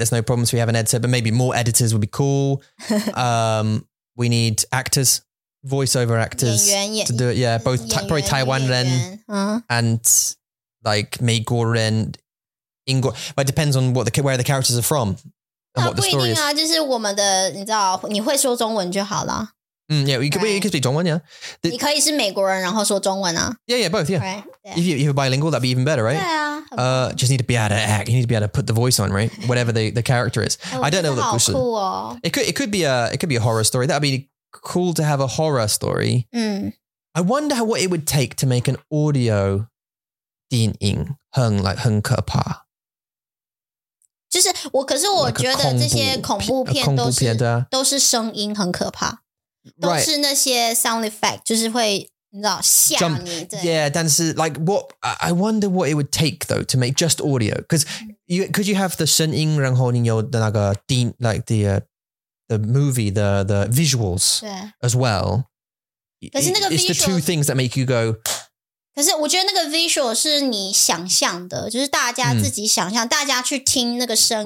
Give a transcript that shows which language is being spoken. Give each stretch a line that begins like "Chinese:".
English: There's no problems. We have an editor, but maybe more editors would be cool. we need actors, voiceover actors
Chinese: 演员,
English: to do it. Yeah, both
Chinese: 演员,
English: probably Taiwan 人 uh-huh. and like 美国人, 英国, but it depends on where the characters are from and what the story is.
Chinese: 不一定啊，就是我们的，你知道，你会说中文就好了。
English: Mm, yeah, you could speak 中文, yeah.
Chinese: The, 你可以是美国人然后说中文啊。
English: Yeah, yeah, both, yeah. Right, yeah. If you're bilingual, that'd be even better, right? Yeah. Just need to be able to act. You need to be able to put the voice on, right? Whatever the character is. I don't know what the question is. It could be a horror story. That'd be cool to have a horror story. Mm. I wonder what it would take to make an audio 电影很, like, 很可怕。
Chinese: 就是我,可是我觉得这些恐怖片都是声音很可怕。
English: Right.
Chinese: 都是那些 sound effect, 就是会你知道吓你
English: Jump,
Chinese: 对
English: Yeah, 但是 like what I wonder what it would take though to make just audio. Could you have the 声音然后你有的那个 like the movie, the visuals
Chinese: 对
English: as well.
Chinese: 可是那个 visual,
English: it's the two things that make you go.
Chinese: 可是我觉得那个 visual 是你想象的，就是大家自己想象，大家去听那个声音